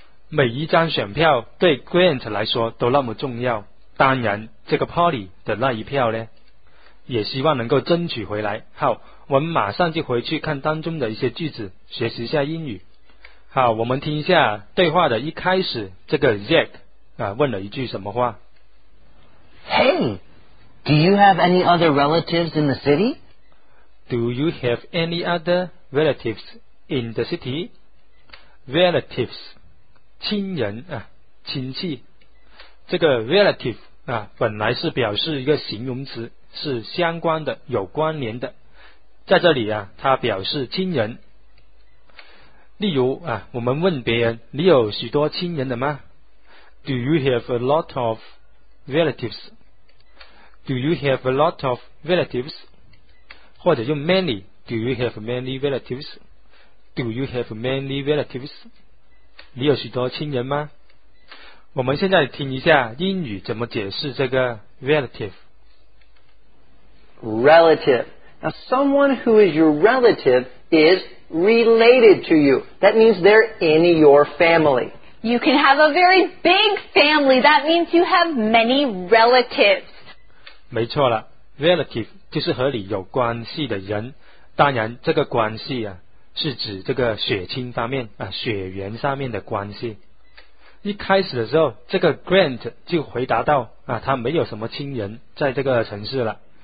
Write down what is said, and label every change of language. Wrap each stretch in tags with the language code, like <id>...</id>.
<zh>每一张选票对 Grant 来说都那么重要，当然这个 Polly 的那一票呢，也希望能够争取回来。好，我们马上就回去看当中的一些句子，学习一下英语。好，我们听一下对话的一开始，这个 Jack 啊问了一句什么话。</zh> <en>Hey, do you have any other relatives in the city? Do you have any other relatives in the city?</en> <zh>Relatives, 亲人啊，亲戚。这个 relative 啊，本来是表示一个形容词，是相关的，有关联的，在这里啊，它表示亲人。例如啊，我们问别人，你有许多亲人的吗？</zh> <en>Do you have a lot of relatives? Do you have a lot of relatives?</en> <zh>或者用</zh> <en>many, Do you have many relatives? Do you have many relatives?</en> <zh>你有许多亲人吗？我们现在听一下英语怎么解释这个 relative。</zh> <en>Relative. Now someone who is your relative is related to you. That means they're in your family. You can have a very big family. That means you have many relatives.</en> <zh>没错了， relative 就是和你有关系的人。当然这个关系啊，是指这个血亲方面啊，血缘上面的关系。一开始的时候，这个 Grant 就回答到啊，他没有什么亲人在这个城市了。</zh>